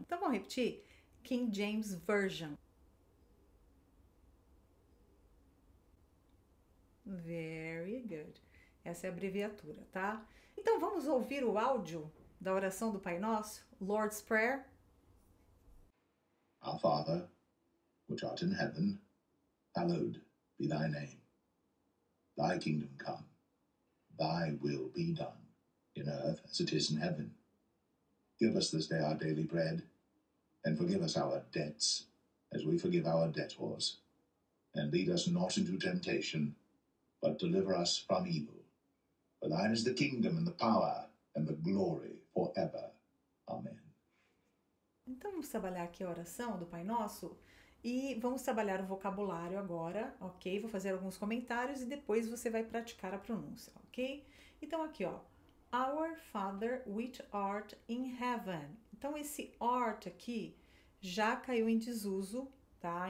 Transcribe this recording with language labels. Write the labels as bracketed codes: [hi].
[pt] Então, vamos repetir? King James Version. [en] Very good. [pt] Essa é a abreviatura, tá? Então, vamos ouvir o áudio da oração do Pai Nosso, Lord's Prayer. [en] Our Father, which art in heaven, hallowed be thy name. Thy kingdom come, thy will be done, in earth as it is in heaven. Give us this day our daily bread, and forgive us our debts, as we forgive our debtors. And lead us not into temptation, but deliver us from evil. For thine is the kingdom, and the power, and the glory, forever. Amen. [pt] Então, vamos trabalhar aqui a oração do Pai Nosso e vamos trabalhar o vocabulário agora, ok? Vou fazer alguns comentários e depois você vai praticar a pronúncia, ok? Então, aqui, ó. [en] Our Father, which art in heaven. [pt] Então, esse art aqui já caiu em desuso, tá?